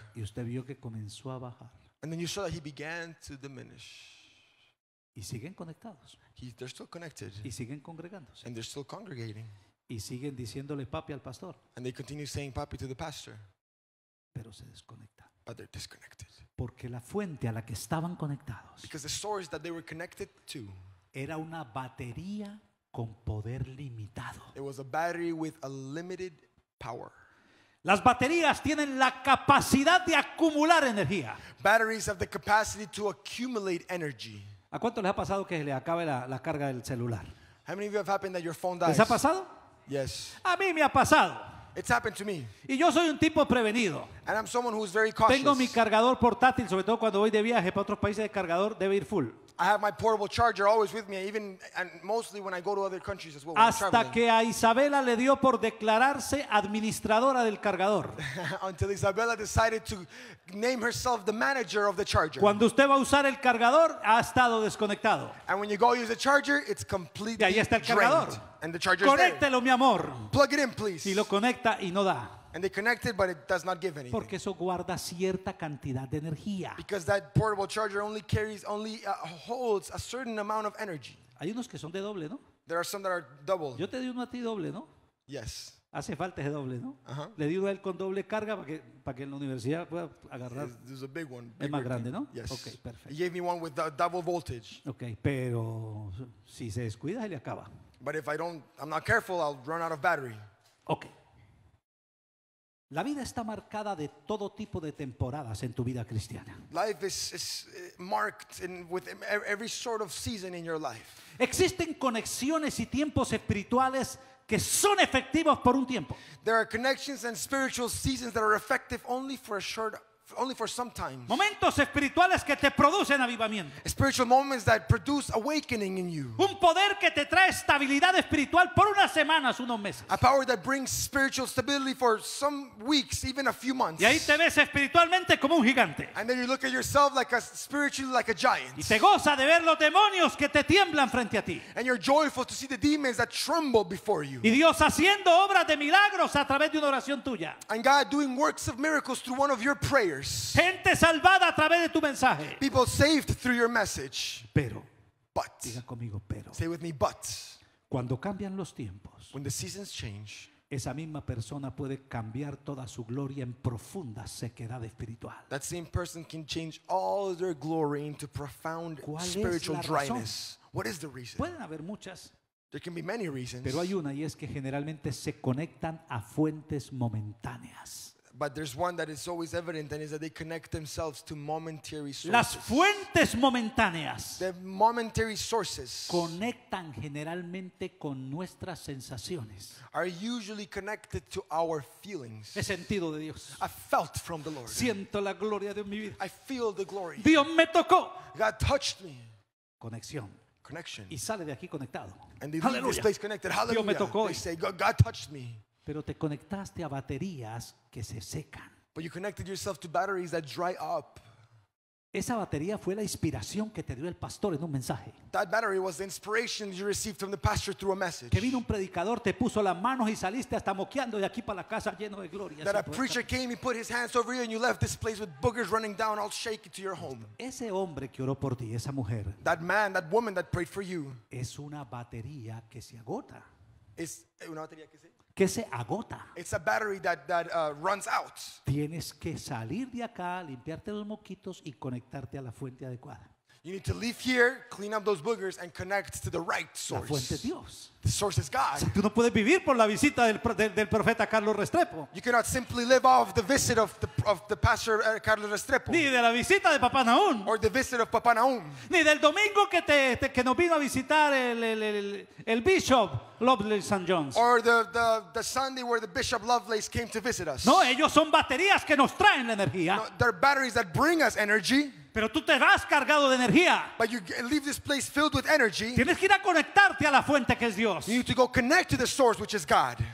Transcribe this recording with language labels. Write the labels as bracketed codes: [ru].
[es] Y usted vio que comenzó a bajar. [en] And then you saw that he began to diminish. [es] Y siguen conectados. [en] They're still connected. [es] Y siguen congregándose. [en] And they're still congregating. [es] Y siguen diciéndole papi al pastor. [en] And they continue saying papi to the pastor. [es] Pero se desconectan. [en] But they're disconnected. [es] Porque la fuente a la que estaban conectados. [en] Because the source that they were connected to. [es] Era una batería con poder limitado. [en] It was a battery with a limited power. [es] Las baterías tienen la capacidad de acumular energía. [en] Batteries have the capacity to accumulate energy. [es] ¿A cuánto les ha pasado que se le acabe la carga del celular? [en] How many of you have happened that your phone dies? [es] ¿Les ha pasado? [en] Yes. [es] A mí me ha pasado. [en] It's happened to me. [es] Y yo soy un tipo prevenido. [en] And I'm someone who's very cautious. [es] Tengo mi cargador portátil, sobre todo cuando voy de viaje para otros países, el cargador debe ir full. [en] I have my portable charger always with me, even and mostly when I go to other countries as well. [es] Hasta que a Isabela le dio por declararse administradora del cargador. [en] Until Isabela decided to name herself the manager of the charger. [es] Cuando usted va a usar el cargador, ha estado desconectado. [en] And when you go use the charger, it's completely drained. [es] Y ahí está el cargador. [en] And the charger's [es] conéctelo, [en] there. [es] Mi amor. [en] Plug it in, please. [es] Y lo conecta y no da. [en] And they connect it, but it does not give anything. [es] Porque eso guarda cierta cantidad de energía. [en] Because that portable charger only holds a certain amount of energy. [es] Hay unos que son de doble, ¿no? [en] There are some that are double. [es] Yo te di uno a ti doble, ¿no? [en] Yes. [es] Hace falta ese doble, ¿no? Uh-huh. Le di uno a él con doble carga para que en la universidad pueda agarrar. [en] This is a big one. [es] Es más grande, ¿no? [en] Yes. Okay, perfect. He gave me one with a double voltage. [es] Okay, pero si se descuida, se le acaba. [en] But if I'm not careful, I'll run out of battery. Okay. [es] La vida está marcada de todo tipo de temporadas en tu vida cristiana. [en] Life is marked with every sort of season in your life. [es] Existen conexiones y tiempos espirituales que son efectivos por un tiempo. [en] There are connections and spiritual seasons that are effective only for a short only for sometimes. [es] Momentos espirituales que te producen avivamiento. [en] Spiritual moments that produce awakening in you. [es] Un poder que te trae estabilidad espiritual por unas semanas, unos meses. [en] A power that brings spiritual stability for some weeks, even a few months. [es] Y ahí te ves espiritualmente como un gigante. [en] And then you look at yourself like a spiritually like a giant. [es] Y te goza de ver los demonios que te tiemblan frente a ti. [en] And you're joyful to see the demons that tremble before you. [es] Y Dios haciendo obras de milagros a través de una oración tuya. [en] And God doing works of miracles through one of your prayers. [es] Gente salvada a través de tu mensaje. [en] People saved through your message. [es] Pero, [en] but, [es] diga conmigo, pero, [en] say with me, but, [es] cuando cambian los tiempos, [en] when the seasons change, [es] esa misma persona puede cambiar toda su gloria en profunda sequedad espiritual. [en] That same person can change all their glory into profound spiritual dryness. What is the reason? [es] Pueden haber muchas. [en] There can be many reasons. [es] Pero hay una, y es que generalmente se conectan a fuentes momentáneas. [en] But there's one that is always evident, and is that they connect themselves to momentary sources. [es] Las fuentes momentáneas. [en] The momentary sources [es] conectan generalmente con nuestras sensaciones. [en] Are usually connected to our feelings. [es] He sentido de Dios. [en] I felt from the Lord. [es] Siento la gloria de mi vida. [en] I feel the glory. [es] Dios me tocó. [en] God touched me. [es] Conexión. [en] Connection. [es] Y sale de aquí conectado. [en] And they leave this place connected. Hallelujah. [es] Dios me tocó. [en] They say, God touched me. [es] Pero te conectaste a baterías que se secan. [en] But you connected yourself to batteries that dry up. [es] Esa batería fue la inspiración que te dio el pastor en un mensaje. [en] That battery was the inspiration you received from the pastor through a message. [es] Que vino un predicador, te puso las manos y saliste hasta moqueando de aquí para la casa lleno de gloria. [en] That a preacher came, he put his hands over you, and you left this place with boogers running down, all shaky to your home. [es] Ese hombre que oró por ti, esa mujer. [en] That man, that woman that prayed for you. [es] Es una batería que se agota. Es una batería que se que se agota. [en] It's a battery that runs out. [es] Tienes que salir de acá, limpiarte los moquitos y conectarte a la fuente adecuada. [en] You need to leave here, clean up those boogers and connect to the right source. [es] La fuente es Dios. [en] The source is God. [es] O sea, tú no puedes vivir por la visita del profeta Carlos Restrepo. [en] You cannot simply live off the visit of the pastor Carlos Restrepo. [es] Ni de la visita de Papá Nahum. [en] Or the visit of Papá Nahum. [es] Ni del domingo que que nos vino a visitar el bishop Lovelace St. John's. [en] Or the Sunday where the bishop Lovelace came to visit us. [es] No, ellos son baterías que nos traen la energía. [en] No, they're batteries that bring us energy. [es] Pero tú te vas cargado de energía. [en] But you leave this place filled with energy. [es] Tienes que ir a conectarte a la fuente que es Dios. [en] You need to go connect to the source, which is God.